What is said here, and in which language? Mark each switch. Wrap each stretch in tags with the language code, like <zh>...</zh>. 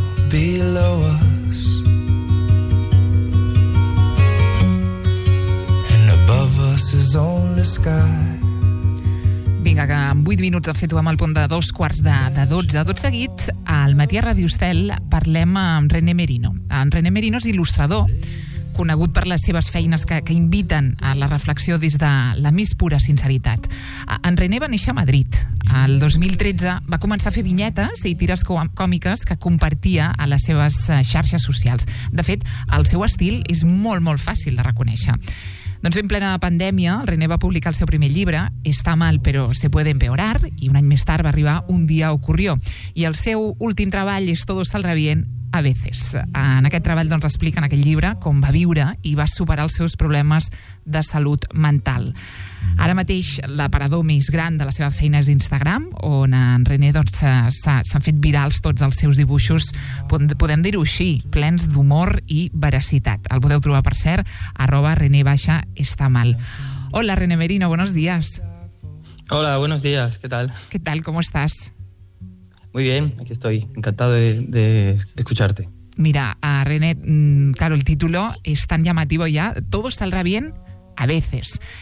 <en>Below us and above us is only sky.</en> <ca>Vinga, que en 8 minuts ens situem al punt de 2:15 de 12. Tot seguit, al matí a Ràdio Estel parlem amb René Merino. En René Merino és il·lustrador, conegut per les seves feines que inviten a la reflexió des de la més pura sinceritat. En René va néixer a Madrid. El 2013 va començar a fer vinyetes i tires còmiques que compartia a les seves xarxes socials. De fet, el seu estil és molt, molt fàcil de reconèixer. Doncs en plena pandèmia, el René va publicar el seu primer llibre, Está mal, pero se puede empeorar, i un any més tard va arribar Un día ocurrió. I el seu últim treball és Todo saldrá bien, a veces. En aquest treball, doncs, explica en aquell llibre com va viure i va superar els seus problemes de salut mental. Ara mateix, l'aparador més gran de la seva feina és Instagram, on en René, doncs, s'han fet virals tots els seus dibuixos, podem dir-ho així, plens d'humor i veracitat. El podeu trobar, per cert, @René_estamal.</ca> <es>Hola, René Merino, buenos días. Hola, buenos días, ¿qué tal? ¿Qué tal, cómo estás? Muy bien, aquí estoy, encantado de escucharte. Mira, a René, claro, el título es tan llamativo ya, todo saldrá bien a veces.</es>